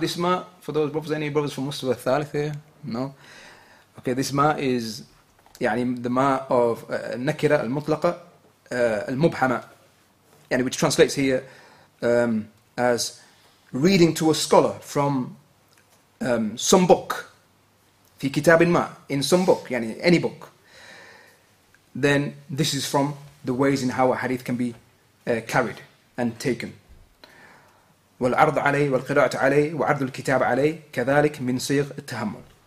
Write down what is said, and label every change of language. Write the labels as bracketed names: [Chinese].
[English] This ما, for those brothers, any brothers from Mustafa al-Thalith here? No. Okay, this ما is يعني the ما of [Arabic] النكرة المطلقة المبهمة. [English] يعني which translates here as reading to a scholar from some book. [Arabic] في كتاب ما, [English] in some book, yani any book, then this is from the ways in how a hadith can be carried and taken. [Arabic] والعرض عليه والقراءة عليه وعرض الكتاب عليه كذلك من صيغ التحمل.